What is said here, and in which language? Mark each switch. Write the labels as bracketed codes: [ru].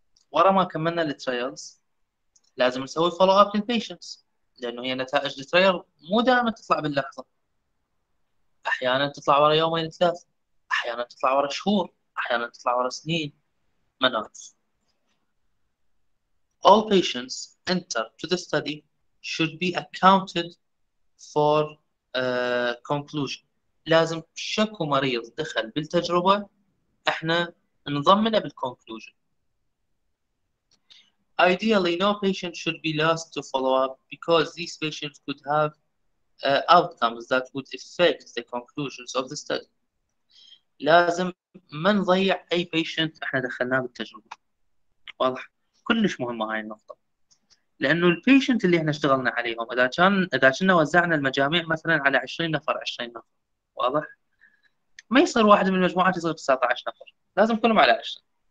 [ar] ورا ما كملنا الترايلز لازم نسوي فولو اب للبيشنتس، لانه هي نتائج الترايل مو دائما تطلع باللحظه، احيانا تطلع ورا يومين ثلاث، احيانا تطلع ورا شهور، احيانا تطلع ورا سنين، ما نعرف. [en] All patients enter to the study should be accounted for conclusion. [ar] لازم شكو مريض دخل بالتجربه احنا نضمنه بالconclusion. [en] Ideally, no patient should be lost to follow up because these patients could have outcomes that would affect the conclusions of the study. [ar] لازم ما نضيع أي patient إحنا دخلناه بالتجربة. واضح؟ كلش مهمة هاي النقطة. لأنه البيشنت اللي إحنا اشتغلنا عليهم إذا كنا وزعنا المجاميع مثلا على 20 نفر 20 نفر، واضح؟ ما يصير واحد من المجموعات يصير 19 نفر، لازم كلهم على 20.